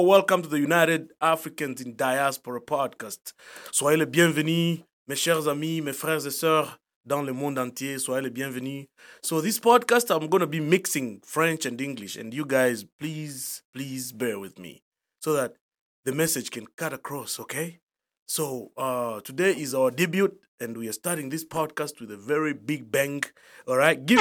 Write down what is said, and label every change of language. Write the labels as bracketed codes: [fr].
[en] Welcome to the United Africans in Diaspora podcast. [fr] Soyez les bienvenus, mes chers amis, mes frères et sœurs dans le monde entier. Soyez les bienvenus. [en] So this podcast, I'm going to be mixing French and English. And you guys, please bear with me so that the message can cut across, okay? So today is our debut and we are starting this podcast with a very big bang. All right?